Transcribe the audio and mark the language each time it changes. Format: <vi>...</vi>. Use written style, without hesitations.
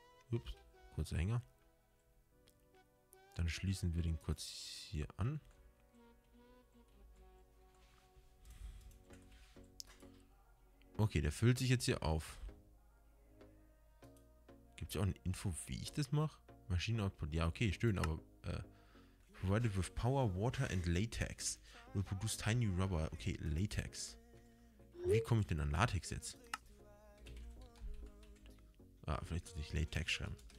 <de>Ups, kurzer Hänger. Dann schließen wir den kurz hier an. Okay, der füllt sich jetzt hier auf. Gibt es auch eine Info, wie ich das mache? Maschinenoutput. Ja, okay, schön, aber.</de> <en>Provided with power, water and latex. Will produce tiny rubber. Okay, latex.</en> <de>Wie komme ich denn an Latex jetzt? Ah, vielleicht sollte ich latex schreiben.</de>